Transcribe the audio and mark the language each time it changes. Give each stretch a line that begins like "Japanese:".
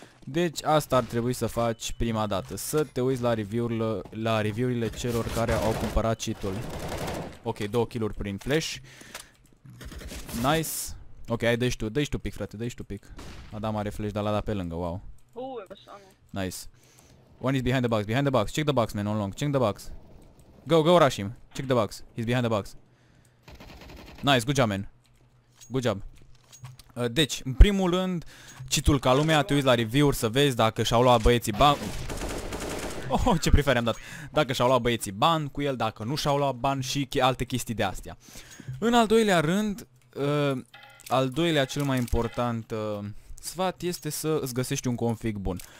Romanian: Deci asta ar trebui să faci prima dată, să te uiți la review-urile celor care au cumpărat cheat-ul. Ok, două kill-uri prin flash. Nice. Ok, hai, dă-și tu, dă-și tu pic, frate, dă-și tu pic. Adam are flash, dar l-a dat pe lângă, wow.
English: Nice. One is behind the box, check the box, man, on long, check the box. Go, rush him, check the box, he's behind the box. Nice, good job, man. Good job.
Romanian: Deci, în primul rând, cheat-ul ca lumea, te uiți la review-uri să vezi dacă și-au luat băieții bani. Oh, ce preferi am dat. Dacă și-au luat băieții bani cu el, dacă nu și-au luat bani și alte chestii de astea. În al doilea rând, al doilea cel mai important sfat este să îți găsești un config bun.